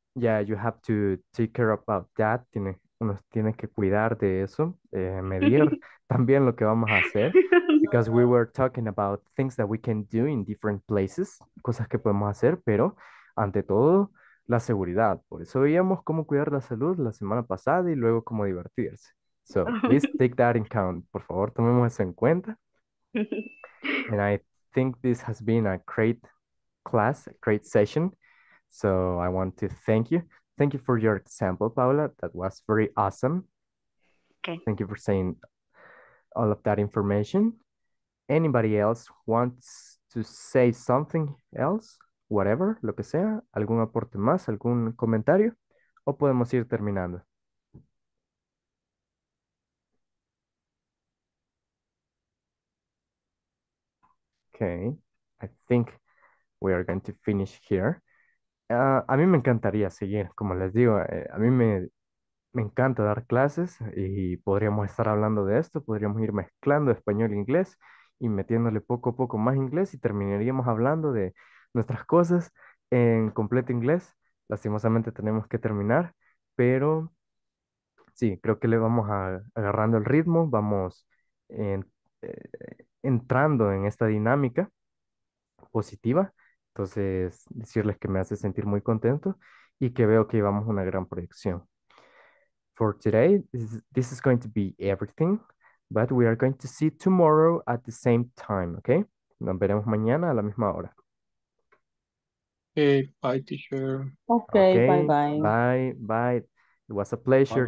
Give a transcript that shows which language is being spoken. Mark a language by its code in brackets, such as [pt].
[en] Yeah, you have to take care about that. [es] Uno tiene que cuidar de eso. Medir también lo que vamos a hacer. [en] Because we were talking about things that we can do in different places. [es] Cosas que podemos hacer, pero ante todo, la seguridad. Por eso veíamos cómo cuidar la salud la semana pasada y luego cómo divertirse. [en] So, please take that in account. [es] Por favor, tomemos eso en cuenta. [en] And I think this has been a great class, a great session. So I want to thank you. Thank you for your example, Paula. That was very awesome. Okay. Thank you for saying all of that information. Anybody else wants to say something else? Whatever, [es] lo que sea. ¿Algún aporte más? ¿Algún comentario? ¿O podemos ir terminando? [en] Okay, I think we are going to finish here. [es] A mí me encantaría seguir, como les digo, a mí me encanta dar clases y podríamos estar hablando de esto, podríamos ir mezclando español e inglés y metiéndole poco a poco más inglés y terminaríamos hablando de nuestras cosas en completo inglés. Lastimosamente tenemos que terminar, pero sí, creo que le vamos agarrando el ritmo, vamos entrando en esta dinámica positiva, entonces decirles que me hace sentir muy contento y que veo que llevamos una gran proyección. [en] For today, this is going to be everything, but we are going to see tomorrow at the same time, okay? [es] Nos veremos mañana a la misma hora. [en] Okay, bye, teacher. Okay, bye-bye. Bye-bye. It was a pleasure